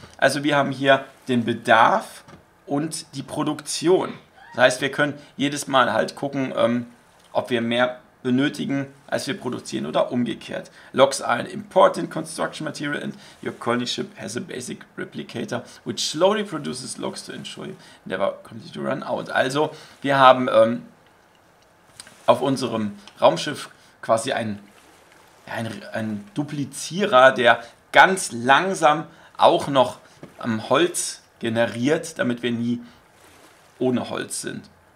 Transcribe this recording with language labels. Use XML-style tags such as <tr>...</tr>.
<de>Also, wir haben hier den Bedarf und die Produktion. Das heißt, wir können jedes Mal halt gucken, ob wir mehr benötigen, als wir produzieren oder umgekehrt.</de> <en>Locks are an important construction material and your colony ship has a basic replicator, which slowly produces locks to ensure you never completely to run out.</en> <de>Also, wir haben auf unserem Raumschiff quasi einen Duplizierer, der ganz langsam auch noch Holz generiert, damit wir nie ohne Holz sind.</de>